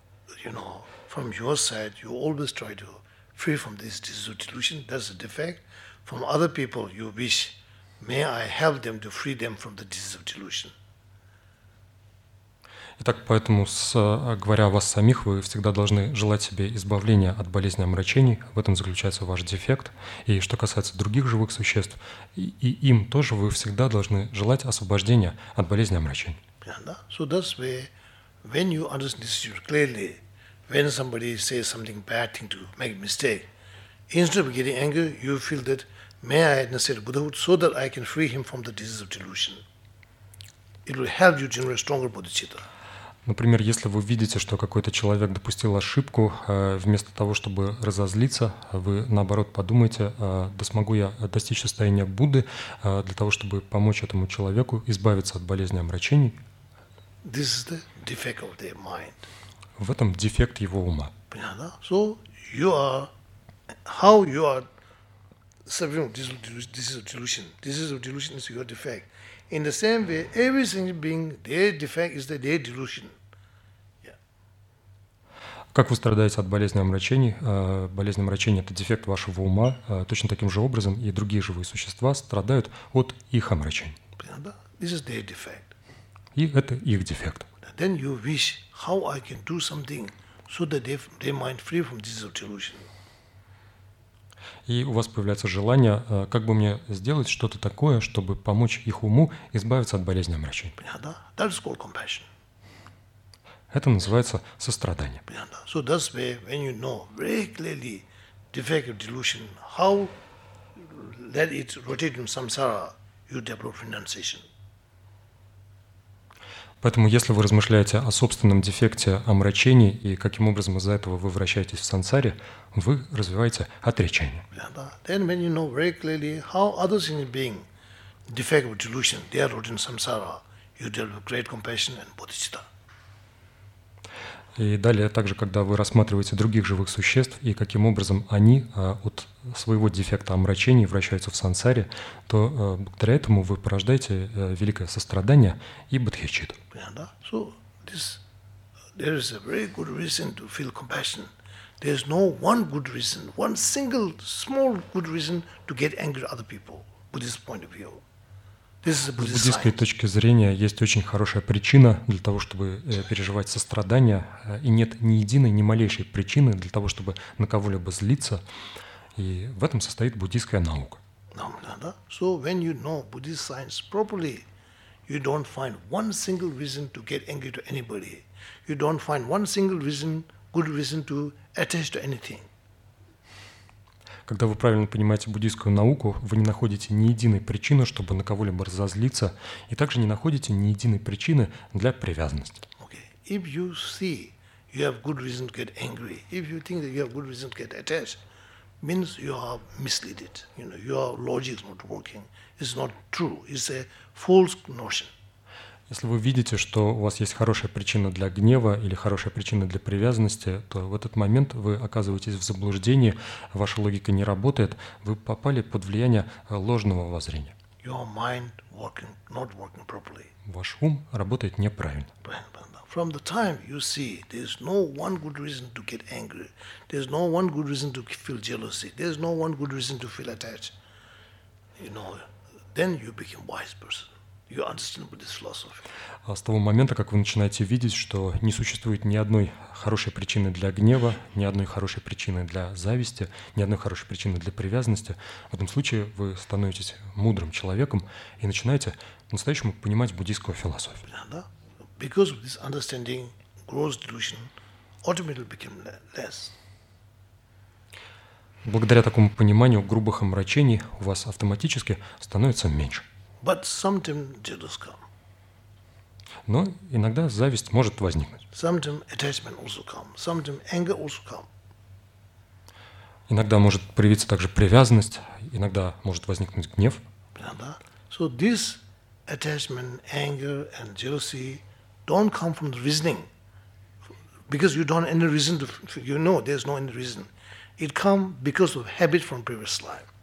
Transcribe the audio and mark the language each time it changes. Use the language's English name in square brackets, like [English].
[English] Free from this delusion, that's a defect. From other people, you wish May I help them to free them from the disease of delusion. [Russian] Итак, поэтому, говоря о вас самих, вы всегда должны желать себе избавления от болезни омрачений. В этом заключается ваш дефект. И что касается других живых существ, и им тоже вы всегда должны желать освобождения от болезни омрачений. [English] So that's where, when you understand this clearly, when somebody says something bad thing to make a mistake, instead of getting angry, you feel that may I understand Buddhahood so that I can free him from the disease of delusion. It will help you generate stronger bodhicitta. [Russian] Например, если вы видите, что какой-то человек допустил ошибку, вместо того, чтобы разозлиться, вы, наоборот, подумаете, да смогу я достичь состояния Будды для того, чтобы помочь этому человеку избавиться от болезни омрачений. [English] This is the defect of their mind. [Russian] В этом дефект его ума. Понятно? [English] So, you are, how you are suffering from this is delusion. This is delusion is your defect. In the same way, every single being, their defect is their delusion. [Russian] Как вы страдаете от болезни омрачений? Болезнь омрачений — это дефект вашего ума. Точно таким же образом и другие живые существа страдают от их омрачений. [English] This is their defect. [Russian] И это их дефект. [English] Then you wish how I can do something so that they mind free from this delusion. [Russian] И у вас появляется желание, как бы мне сделать что-то такое, чтобы помочь их уму избавиться от болезни омрачений. Понятно? [English] That's called compassion. [Russian] Это называется сострадание. Понятно? [English] So that's where, when you know very clearly defect of delusion, how let it rotate in samsara, you develop renunciation. [Russian] Поэтому, если вы размышляете о собственном дефекте омрачений и каким образом из-за этого вы вращаетесь в сансаре, вы развиваете отречение. [English] Then when you know very clearly how others in being defect of delusion, they are rooted in samsara, you develop great compassion and bodhicitta. [Russian] И далее, также, когда вы рассматриваете других живых существ и каким образом они от своего дефекта омрачений вращаются в сансаре, то благодаря этому вы порождаете великое сострадание и бодхичит. [English] So, this, there is a very good reason to feel compassion. There is no one good reason, one single small good reason to get angry at other people, Buddhist point of view. [Russian] С буддийской точки зрения есть очень хорошая причина для того, чтобы переживать сострадание, и нет ни единой, ни малейшей причины для того, чтобы на кого-либо злиться. И в этом состоит буддийская наука. [English] So when you know Buddhist science properly, you don't find one single reason to get angry to anybody. You don't find one single reason, good reason to attach to anything. [Russian] Когда вы правильно понимаете буддийскую науку, вы не находите ни единой причины, чтобы на кого-либо разозлиться, и также не находите ни единой причины для привязанности. [English] Okay. If you see you have good reason to get angry, if you think that you have good reason to get attached, means you are misled. You know, your logic is not working. It's not true. It's a false notion. [Russian] Если вы видите, что у вас есть хорошая причина для гнева или хорошая причина для привязанности, то в этот момент вы оказываетесь в заблуждении, ваша логика не работает, вы попали под влияние ложного воззрения. [English] Your mind working, not working properly. [Russian] Ваш ум работает неправильно. [English] From the time you see, there's no one good reason to get angry, there's no one good reason to feel jealousy, there's no one good reason to feel attached, you know, then you become wise person. You understand Buddhist philosophy. [Russian] С того момента, как вы начинаете видеть, что не существует ни одной хорошей причины для гнева, ни одной хорошей причины для зависти, ни одной хорошей причины для привязанности, в этом случае вы становитесь мудрым человеком и начинаете по-настоящему понимать буддийскую философию. [English] Because of this understanding, gross delusion automatically became less. [Russian] Благодаря такому пониманию грубых омрачений у вас автоматически становится меньше. [English] But sometimes jealousy comes. [Russian] Но иногда зависть может возникнуть. [English] Sometimes attachment also comes. Sometimes anger also comes. [Russian] Иногда может проявиться также привязанность, иногда может возникнуть гнев. [English] So this attachment, anger and jealousy don't come from the reasoning. Because you don't have any reason to, you know, there's no any reason. It comes because of habit from previous life.